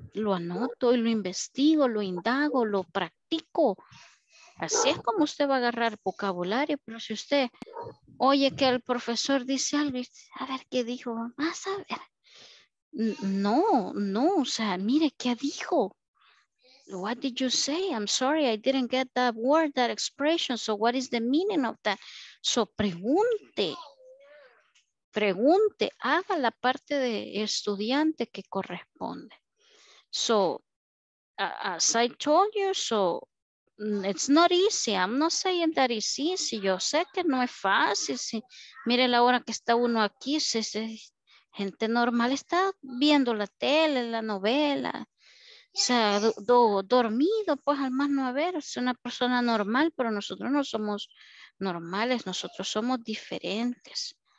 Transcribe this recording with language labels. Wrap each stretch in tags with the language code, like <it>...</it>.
<es>Lo anoto y lo investigo, lo indago, lo practico. Así es como usted va a agarrar vocabulario, pero si usted oye que el profesor dice algo, a ver qué dijo, vamos a ver. No, no, o sea, mire, ¿qué dijo?</es> <en>What did you say? I'm sorry, I didn't get that word, that expression. So what is the meaning of that?</en> <es>So pregunte, pregunte, haga la parte de estudiante que corresponde.</es> <en>So, as I told you, so it's not easy. I'm not saying that it's easy.</en> <es>Yo sé que no es fácil. Si, mire la hora que está uno aquí, se gente normal está viendo la tele, la novela, o sea, dormido, pues al más no haber, es una persona normal, pero nosotros no somos normales, nosotros somos diferentes.</es>